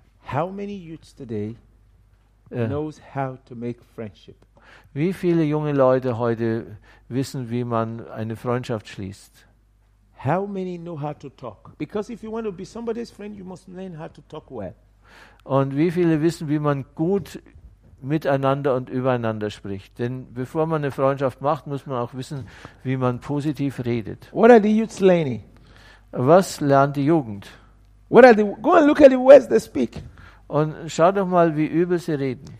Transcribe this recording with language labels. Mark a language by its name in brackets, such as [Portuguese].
[English] How many youths today knows how to make friendship? [German] Wie viele junge Leute heute wissen, wie man eine Freundschaft schließt? [English] How many know how to talk? Because if you want to be somebody's friend, you must learn how to talk well. [German] Und wie viele wissen, wie man gut miteinander und übereinander spricht? Denn bevor man eine Freundschaft macht, muss man auch wissen, wie man positiv redet. [English] What are the youths learning? [German] Was lernt die Jugend? [English] What are the go and look at the words they speak. [German] Und schau doch mal, wie übel sie reden.